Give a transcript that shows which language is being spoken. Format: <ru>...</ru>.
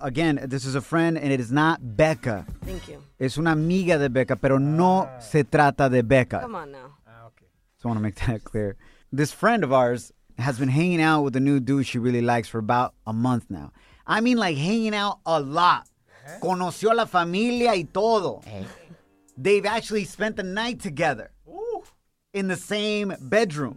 <en>Again, this is a friend and it is not Becca. Thank you.</en> <es>Es una amiga de Becca, pero no se trata de Becca.</es> <en>Come on now. Okay. So I want to make that clear. This friend of ours has been hanging out with a new dude she really likes for about a month now. I mean, like, hanging out a lot. Eh?</en> <es>Conoció la familia y todo. Eh?</es> <en>They've actually spent the night together. Ooh. In the same bedroom.</en>